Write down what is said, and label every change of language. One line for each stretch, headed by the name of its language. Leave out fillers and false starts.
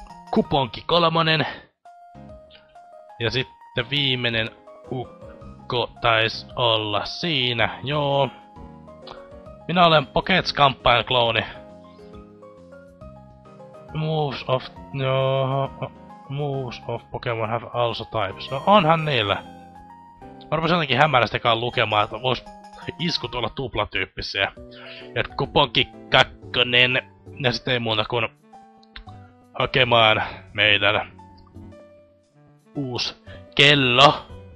Finnish: Kuponki kolmonen. Ja sitten viimeinen ukko taisi olla siinä. Joo. Minä olen Pocket Scampine klooni.
English: Moves of...
Finnish: joo...
English: moves of Pokemon have also types.
Finnish: No onhan niillä. Mä rupesin jotenkin hämärästäkään lukemaan, että vois iskut olla tuplatyyppisiä. Ja kuponki kakkonen. Ja sitten ei muuta kuin hakemaan meidän uusi kello.